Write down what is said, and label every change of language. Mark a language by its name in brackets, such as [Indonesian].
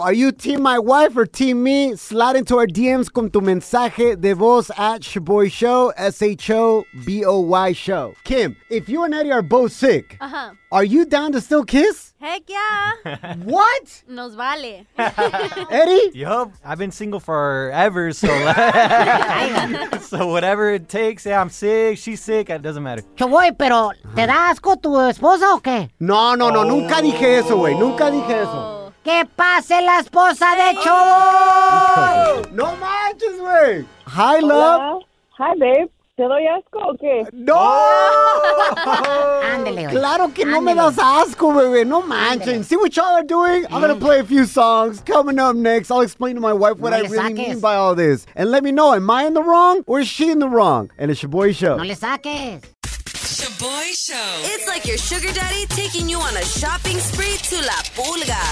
[English] Are you team my wife or team me? Slide into our DMs [Spanish] con tu mensaje de voz [English] at Shaboy Show, S-H-O-B-O-Y Show. Kim, if you and Eddie are both sick, uh-huh, are you down to still kiss? Heck yeah. What? [Spanish] Nos vale. Eddie? [English] Yup. I've been single forever, so so whatever it takes, yeah, I'm sick, she's sick, it doesn't matter. [Spanish] Choboy, pero ¿te da asco tu esposa o qué? No, nunca dije eso, güey, nunca dije eso. ¡Que pase la esposa de Choboy! No manches, güey. [English] Hi, love. [Spanish] Hola. [English] Hi, babe. [Spanish] ¿Te doy asco o qué? ¡No! ¡Ándele, güey! ¡Claro que Andale. No me das asco, bebé! ¡No manchen! [English] ¿See what y'all are doing? I'm gonna play a few songs. Coming up next, I'll explain to my wife what [Spanish] no [English] I really [Spanish] saques. [English] Mean by all this. And let me know, am I in the wrong or is she in the wrong? And it's Shaboy Show. [Spanish] ¡No le saques! [English] Shaboy Show. It's like your sugar daddy taking you on a shopping spree to La Pulga.